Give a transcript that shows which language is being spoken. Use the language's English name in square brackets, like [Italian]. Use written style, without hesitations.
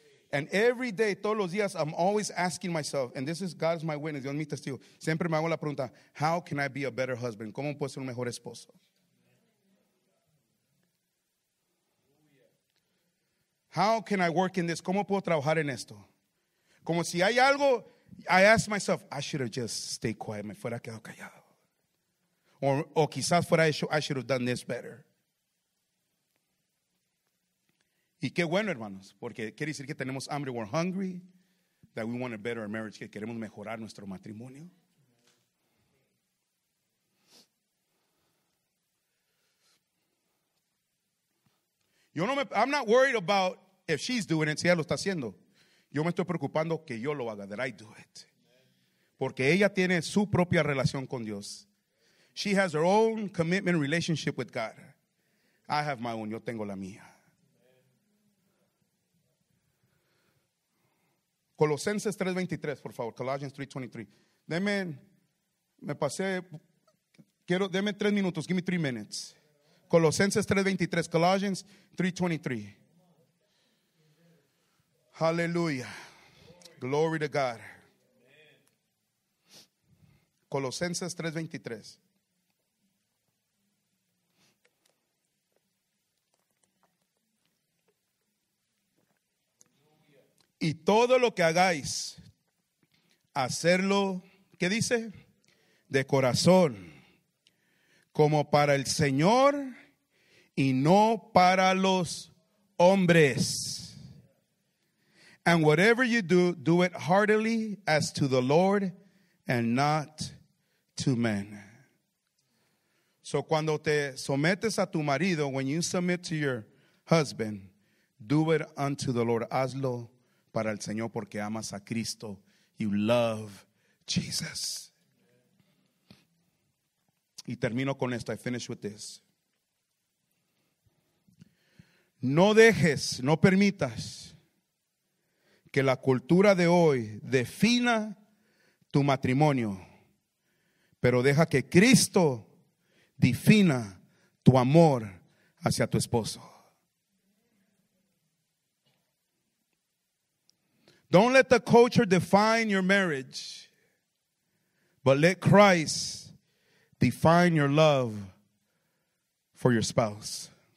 [English] And every day, [Spanish] todos los días, [English] I'm always asking myself, and this is God's my witness, [Spanish] Dios mi testigo, siempre me hago la pregunta, [English] how can I be a better husband? [Spanish] ¿Cómo puedo ser un mejor esposo? [English] How can I work in this? [Spanish] ¿Cómo puedo trabajar en esto? Como si hay algo... [English] I asked myself, I should have just stayed quiet. [Spanish] Me fuera quedado callado. O quizás fuera hecho, [English] I should have done this better. [Spanish] Y qué bueno, hermanos. Porque quiere decir que tenemos hambre, [English] we're hungry. That we want a better marriage. [Spanish] Que queremos mejorar nuestro matrimonio. Yo no me, [English] I'm not worried about if she's doing it, [Spanish] si ella lo está haciendo. Yo me estoy preocupando que yo lo haga, [English] that I do it. [Spanish] Porque ella tiene su propia relación con Dios. [English] She has her own commitment relationship with God. I have my own, [Spanish] yo tengo la mía. Colosenses 3.23, por favor, Colossians 3.23. Deme, me pasé, quiero, deme tres minutos, [English] give me 3 minutes. [Spanish] Colosenses 3.23, Colossians 3.23. [English] Hallelujah. Glory to God. [Spanish] Colosenses 3.23. Y todo lo que hagáis, hacerlo, ¿qué dice? De corazón, como para el Señor y no para los hombres. [English] And whatever you do, do it heartily as to the Lord and not to men. So [Spanish] cuando te sometes a tu marido, [English] when you submit to your husband, do it unto the Lord. [Spanish] Hazlo para el Señor porque amas a Cristo. [English] You love Jesus. [Spanish] Y termino con esto. [English] I finish with this. [Spanish] No dejes, no permitas que la cultura de hoy defina tu matrimonio, pero deja que Cristo defina tu amor hacia tu esposo. [English] Don't let the culture define your marriage, but let Christ define your love for your spouse.